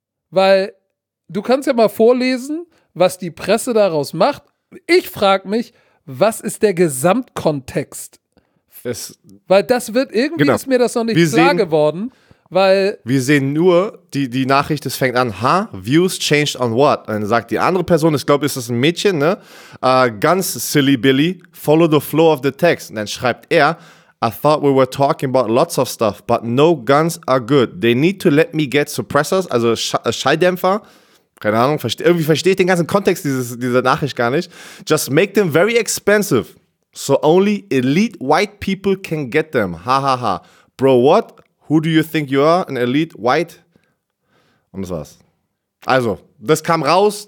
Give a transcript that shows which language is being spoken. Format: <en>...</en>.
<de>Weil du kannst ja mal vorlesen, was die Presse daraus macht. Ich frage mich, was ist der Gesamtkontext es, weil das wird irgendwie, genau, ist mir das noch nicht klar geworden, weil wir sehen nur die Nachricht, es fängt an, ha,</de> <en>views changed on what?</en> <de>Dann sagt die andere Person, ich glaube, ist das ein Mädchen, ne?</de> <en>Ganz silly Billy, follow the flow of the text.</en> <de>Und dann schreibt er,</de> <en>I thought we were talking about lots of stuff, but no guns are good. They need to let me get suppressors,</en> <de>also Schalldämpfer. Keine Ahnung, irgendwie verstehe ich den ganzen Kontext dieser Nachricht gar nicht.</de> <en>Just make them very expensive, so only elite white people can get them. Ha, ha, ha. Bro, what? Who do you think you are? An elite white?</en> <de>Und das war's. Also, das kam raus.</de>